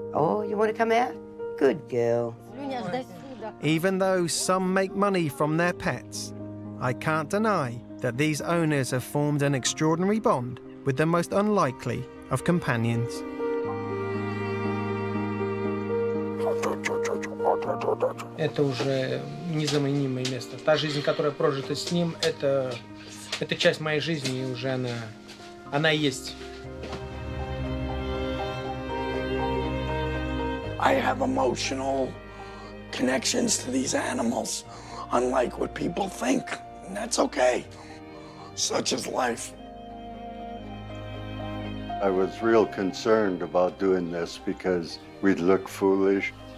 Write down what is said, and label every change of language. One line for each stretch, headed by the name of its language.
English: Oh, you want to come out? Good girl. Even though some make money from their pets, I can't deny that these owners have formed an extraordinary bond with the most unlikely of companions.
Russian: Это уже незаменимое место. Та жизнь, которая прожита с ним, это часть моей жизни, и уже она есть.
English: I have emotional connections to these animals, unlike what people think. And that's okay. Such is life. I was real concerned about doing this because we'd look foolish.